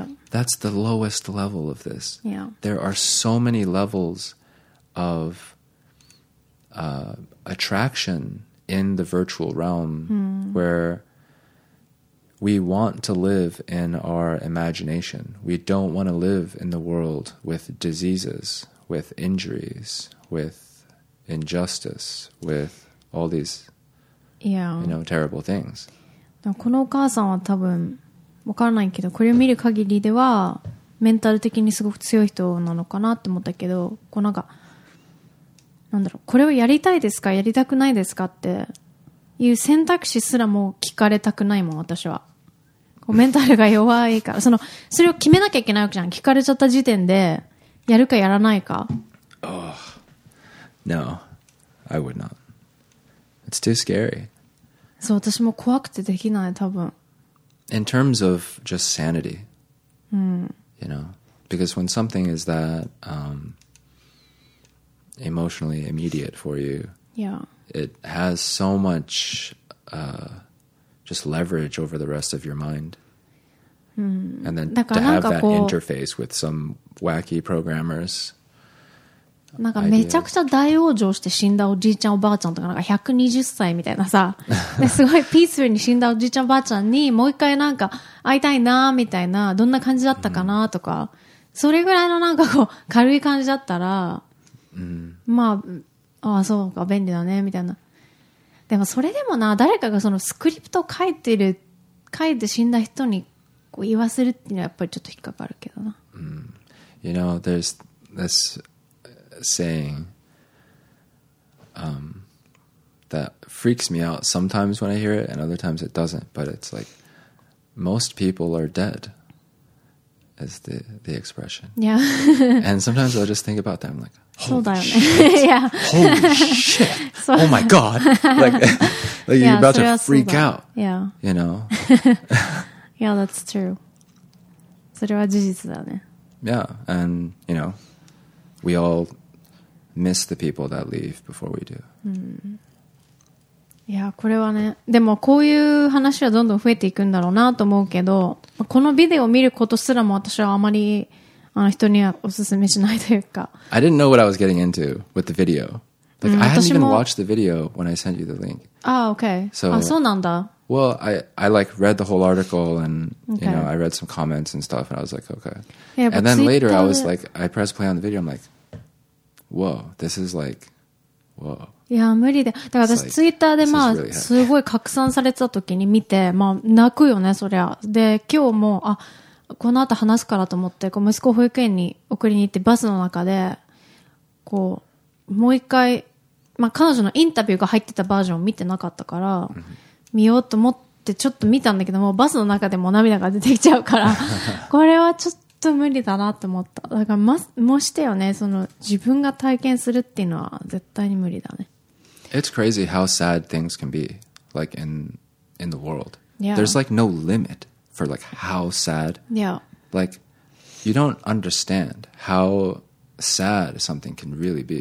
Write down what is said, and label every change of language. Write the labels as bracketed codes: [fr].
[en] That's the lowest level of this. There are so many levels of attraction in the virtual realm where we want to live in our imagination. We don't want to live in the world with diseases, with injuries, with injustice, with all these... You know, terrible things. [ja] このお母さんは多分分からないけど、これを見る限りではメンタル的にすごく強い人なのかなって思ったけど、こうなんか、なんだろう、これをやりたいですかやりたくないですかっていう選択肢すらも聞かれたくないもん、私は。こうメンタルが弱いから、それを決めなきゃいけないわけじゃん。聞かれちゃった時点でやるかやらないか。 [en] Oh No, I would notIt's too scary. [ja] そう、私も怖くてできない、多分。 [en] In terms of just sanity, you know, because when something is that emotionally immediate for you, it has so much just leverage over the rest of your mind. And then to have that interface with some wacky programmers. [ja] なんかめちゃくちゃ大往生して死んだおじいちゃんおばあちゃんと か, なんか120歳みたいなさ、すごいピースフルに死んだおじいちゃんおばあちゃんにもう一回なんか会いたいなみたいな、どんな感じだったかなとか、それぐらいのなんかこう軽い感じだったら、まあ、ああそうか便利だねみたいな。でもそれでもな、誰かがそのスクリプトを書いてる、書いて死んだ人にこう言わせるっていうのはやっぱりちょっと引っかかるけどな。 [en] You know, there's thisSaying that freaks me out sometimes when I hear it, and other times it doesn't. But it's like most people are dead, is the expression. Yeah. And sometimes I'll just think about that. I'm like, holy shit! Yeah. Holy shit! Oh my god! Like you're about to freak out. Yeah. You know. Yeah, that's true. [ja] それは事実だね。 [en] Yeah, and you know, we all. Miss the people that leave before we do. [ja] いや、これはね、でもこういう話はどんどん増えていくんだろうなと思うけど、このビデオを見ることすらも私はあまり人にはおすすめしないというか。 [en] I didn't know what I was getting into with the video. Like, I hadn't even watched the video when I sent you the link. Ah, okay. So, [ja] あ、そうなんだ。 [en] Well, I like read the whole article and, you know, I read some comments and stuff and I was like, okay. Yeah, and then later I was like, I pressed play on the video, I'm like,Whoa, this is like, whoa. Yeah, [ja] 無理で。だから私 Twitter でまあ、すごい拡散されてた時に見て、まあ、泣くよね、そりゃ。で、今日も、あ、この後話すからと思って、こう、息子を保育園に送りに行って、バスの中で、こう、もう一回、まあ、彼女のインタビューが入ってたバージョンを見てなかったから、見ようと思って、ちょっと見たんだけども、バスの中でも涙が出てきちゃうから、これはちょっと、と無理だなと思った。だから、もしてよね、その自分が体験するっていうのは絶対に無理だね。 [en] It's crazy how sad things can be, like in the world. Yeah. There's like no limit for like how sad. Yeah. Like, you don't understand how sad something can really be.